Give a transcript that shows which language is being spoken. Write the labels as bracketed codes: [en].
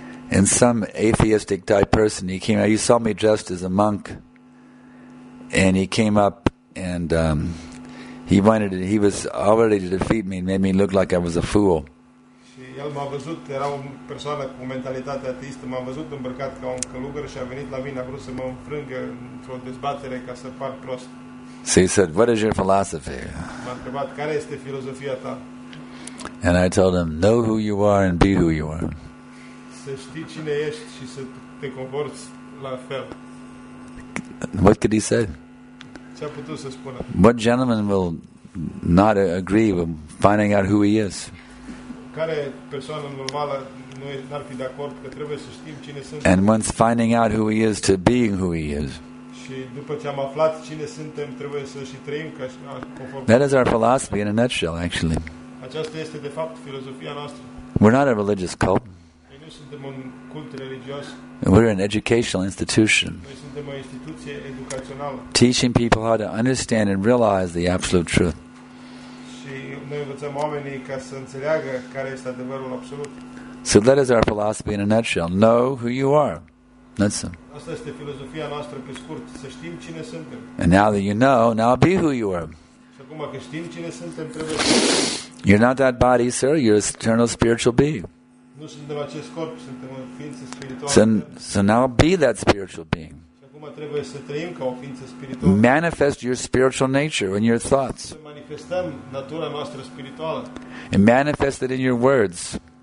[en] And some atheistic type person, he came out. He saw me dressed as a monk. And he came up and he was all ready to defeat me and made me look like I was a fool. [ro] El m-a văzut, era o persoană cu mentalitate ateistă, m-a văzut îmbrăcat ca un călugăr și a venit la mine, a vrut să mă înfrângă într-o dezbatere ca să par prost. [en] So he said, what is your philosophy? [ro] M-a întrebat, care este filozofia ta? [en] And I told him, know who you are and be who you are. [ro] Să știi cine ești și să te comporți la fel. [en] What could he say? [ro] Ce-a putut să spună? [en] What gentleman will not agree with finding out who he is? [ro] Care persoană normală nu ar fi de acord că trebuie să știm cine suntem. [en] And once finding out who he is to being who he is. [ro] Și după ce am aflat cine suntem, trebuie să și trăim ca conform. [en] That is our philosophy in a nutshell, actually. [ro] Aceasta este de fapt filozofia noastră. [en] We're not a religious cult. [ro] Noi nu suntem un cult religios. [en] We're an educational institution. [ro] Noi suntem o instituție educațională. [en] Teaching people how to understand and realize the absolute truth. [ro] Noi învățăm oamenii ca să înțeleagă care este adevărul absolut. [en] So that is our philosophy in a nutshell. Know who you are. That's it. [ro] Asta este filozofia noastră pe scurt, să știm cine suntem. [en] And now that you know, now be who you are. [ro] Și acum că știm cine suntem, trebuie. [en] You're not that body, sir. You're an eternal spiritual being. [ro] Nu suntem acest corp, suntem o ființă spirituală. [en] So now be that spiritual being. [ro] Și acum trebuie să trăim ca o ființă spirituală. [en] Manifest your spiritual nature in your thoughts. [ro] Să manifestăm natura noastră spirituală. [en] And manifest it in your words.